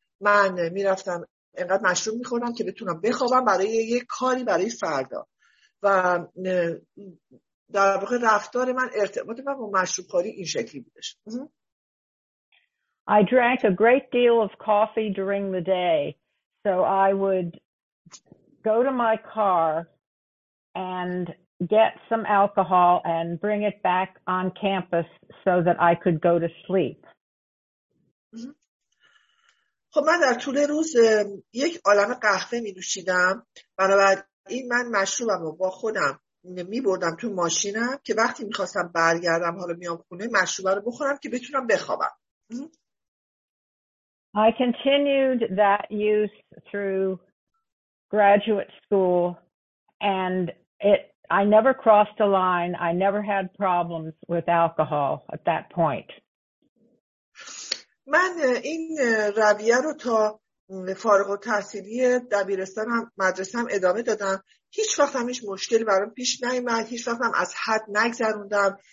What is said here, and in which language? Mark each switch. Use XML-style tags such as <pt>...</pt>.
<fa>من میرفتم انقدر مشروب میخوردم که بتونم بخوابم برای یه کاری برای فردا و در واقع رفتار من ارتباط من با مشروب خوری این شکلی بودش.</fa> <en>I drank a great deal of coffee during the day, so I would go to my car and get some alcohol and bring it back on campus so that I could go to sleep.</en> <fa>خب من در طول روز یک عالم قهوه می نوشیدم. بنابراین من مشروبم رو با خودم می بردم تو ماشینم که وقتی می خواستم برگردم حالا میام خونه مشروب رو بخورم که بتونم بخوابم.</fa> <en>I continued that use through graduate school, and I never crossed a line. I never had problems with alcohol at that point.</en> <fa>من این رویه رو تا فارغ التحصیلی دبیرستانم مدرسه‌ام ادامه دادم. هیچ وقت هم هیچ مشکلی برام پیش نیومد. هیچ وقت هم از حد نگذروندم.</fa>